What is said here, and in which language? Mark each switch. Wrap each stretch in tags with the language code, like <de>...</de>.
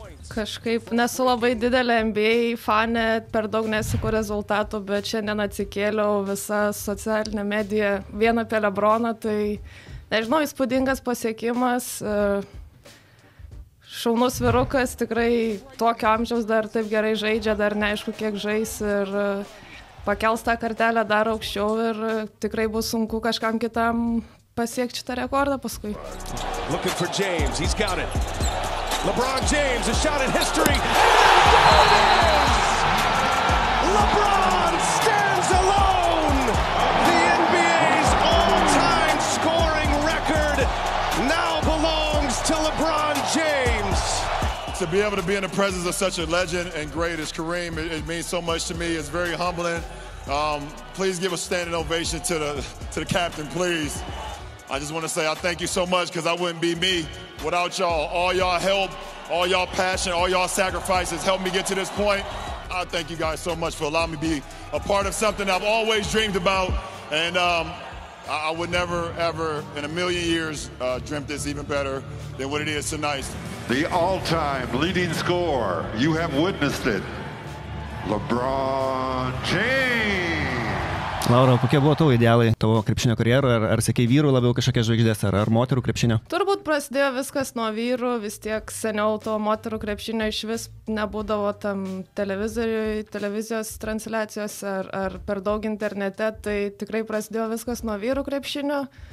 <lt>Kažkaip nesu labai didelė NBA fanė, per daug nesiku rezultatų, bet šiandien atsikėliau visą socialinę mediją vieną apie LeBroną, tai nežinau, įspūdingas pasiekimas, šaunus vyrukas, tikrai tokio amžiaus dar taip gerai žaidžia, dar neaišku kiek žais ir pakels tą kartelę dar aukščiau ir tikrai bus sunku kažkam kitam pasiekti šitą rekordą paskui.</lt> <en>Looking for James, he's got it. LeBron James, a shot at history, and there it is! LeBron stands alone! The NBA's all-time scoring record now belongs to LeBron James. To be able to be in the presence of such a legend and great as Kareem, it means so much to me. It's very humbling. Please give a standing ovation to the captain, please. I just want to say I thank you so much because I wouldn't be me without y'all. All y'all help, all y'all passion, all y'all sacrifices helped me get to this point. I thank you guys so much for allowing me to be a part of something I've always dreamed about. And I would never, ever in a million years dreamt this even better than what it is tonight. The all-time leading scorer, you have witnessed it, LeBron James.</en> <lt>Laura, kokie buvo tavo idealai tavo krepšinio karjerą? Ar sakei vyrų labiau kažkokia žvaigždės, ar moterų krepšinio? Turbūt prasidėjo viskas nuo vyrų, vis tiek seniau to moterų krepšinio iš vis nebūdavo tam televizijos transliacijos ar per daug internete, tai tikrai prasidėjo viskas nuo vyrų krepšinio.</lt>